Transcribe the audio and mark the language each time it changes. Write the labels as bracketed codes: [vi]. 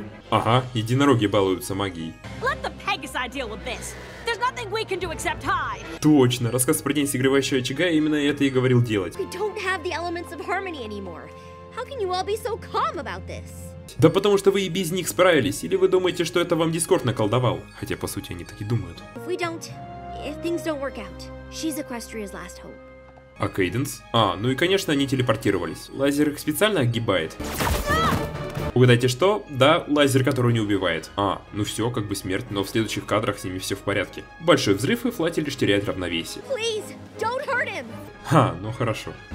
[ru] Ага, единороги балуются магией. [en] Let the Pegasi deal with this. There's nothing we can do except hide. [ru] Точно, рассказ про день согревающего очага именно это и говорил делать. [en] We don't have the elements of harmony anymore. How can you all be so calm about this? [ru] Да потому что вы и без них справились, или вы думаете, что это вам Дискорд наколдовал? Хотя по сути они так и думают. [en] If we don't, if things don't work out, she's Equestria's last hope. [ru] А Кейденс? А, ну и конечно они телепортировались. Лазер их специально огибает. Угадайте что? Да, лазер, который не убивает. А, ну все, как бы смерть, но в следующих кадрах с ними все в порядке. Большой взрыв, и Флати лишь теряет равновесие. [en] Please, don't hurt him. [ru] Ха, ну хорошо.